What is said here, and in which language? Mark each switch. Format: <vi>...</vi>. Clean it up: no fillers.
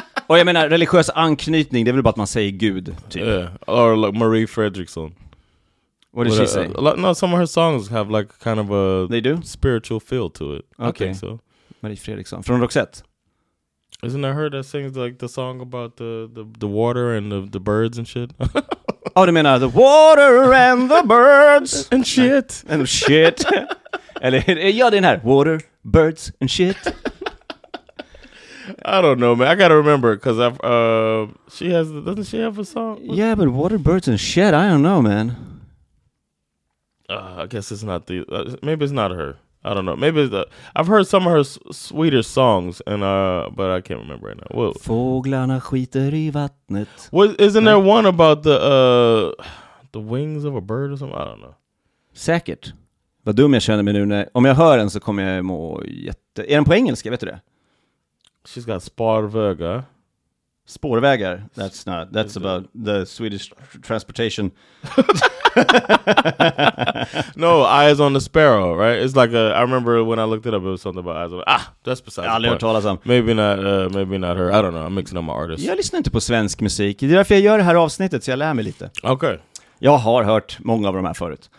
<sv>Och jag menar, religiös anknytning, det är väl bara att man säger Gud, typ.</sv> <en>Yeah. Or like Marie Fredriksson. What did she say? No, some of her songs have like kind of a they do? Spiritual feel to it. Okay. I think so.</en> <sv>Marie Fredriksson, från Roxette.</sv> <en>Isn't that her that sings like the song about the water and the birds and shit? Oh,</en> <sv>du menar</sv> <en>the water and the birds and shit. And shit.</en> <sv>Eller ja, den här</sv> <en>water, birds and shit. I don't know, man. I gotta remember because she has, doesn't she have a song? Yeah, but water, birds and shit, I don't know, man. I guess it's not maybe it's not her. I don't know. Maybe I've heard some of her sweeter songs, but I can't remember right now. Whoa.</en> <sv>Fåglarna skiter i vattnet.</sv> <en>What, isn't there one about the wings of a bird or something? I don't know.</en> <sv>Säkert. Vad dum jag känner mig nu. Om jag hör den så kommer jag må jätte... Är den på engelska, vet du det?</sv> <en>She's got sparvögar. Spårvägar. That's not... That's about the Swedish transportation... No, Eyes on the Sparrow, right? It's like I remember when I looked it up, it was something about Eyes on the Sparrow. Ah, that's besides. I'll never tell us. Maybe not her. I don't know. I'm mixing up my artists.</en> <sv>Jag lyssnar inte på svensk musik. Det är därför jag gör det här avsnittet, så jag lär mig lite.</sv> <en>Okay.</en> <sv>Jag har hört många av de här förut.</sv>